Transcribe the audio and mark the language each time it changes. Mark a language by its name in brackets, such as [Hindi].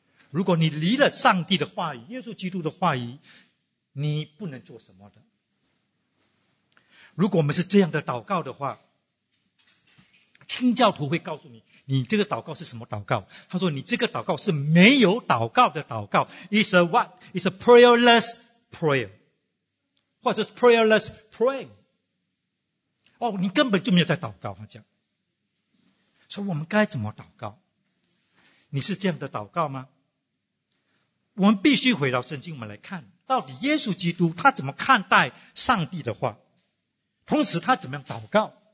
[Chinese] 如果你离了上帝的话语，耶稣基督的话语，你不能做什么的。如果我们是这样的祷告的话，清教徒会告诉你，你这个祷告是什么祷告？他说你这个祷告是没有祷告的祷告。 [English] It's a what? It's a prayerless prayer. [Chinese] 或者是 [English] prayerless praying. [Chinese] 哦，你根本就没有在祷告，他讲。所以我们该怎么祷告？你是这样的祷告吗？我们必须回到圣经，我们来看到底耶稣基督他怎么看待上帝的话，同时他怎么样祷告。